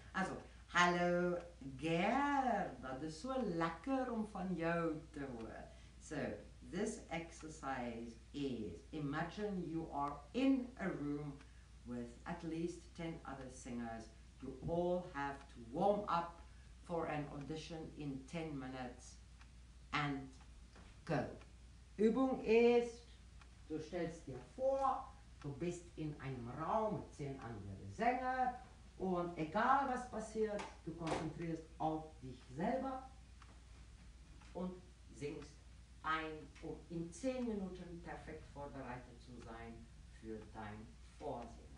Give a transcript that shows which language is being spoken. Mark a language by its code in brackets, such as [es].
[de] Also, hallo Gerda, das ist so lecker, um von jou zu hören. [en] So, this exercise is, imagine you are in a room with at least 10 other singers. You all have to warm up for an audition in 10 minutes and go. [de] Übung ist, du stellst dir vor, du bist in einem Raum mit 10 anderen Sängern und egal was passiert, du konzentrierst auf dich selber und singst ein, um in 10 Minuten perfekt vorbereitet zu sein für dein Vorsingen.